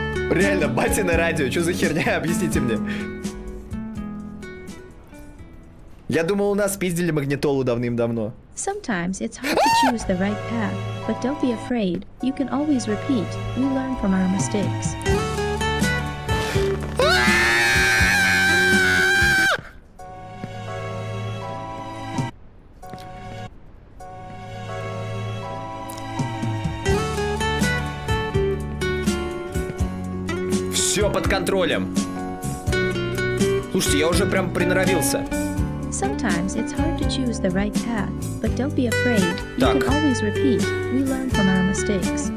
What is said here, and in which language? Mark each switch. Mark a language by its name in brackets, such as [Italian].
[Russian] Реально, батя на радио, что за херня, объясните мне. Я думал, у нас пиздили магнитолу давным-давно. [English] Sometimes it's hard to choose the right path, but don't be afraid. You can always repeat. We learn from our mistakes. [Russian] Все под контролем. Слушайте, я уже прям приноровился. [English] Sometimes it's hard to choose the right path, but don't be afraid. You can always repeat. We learn from our mistakes.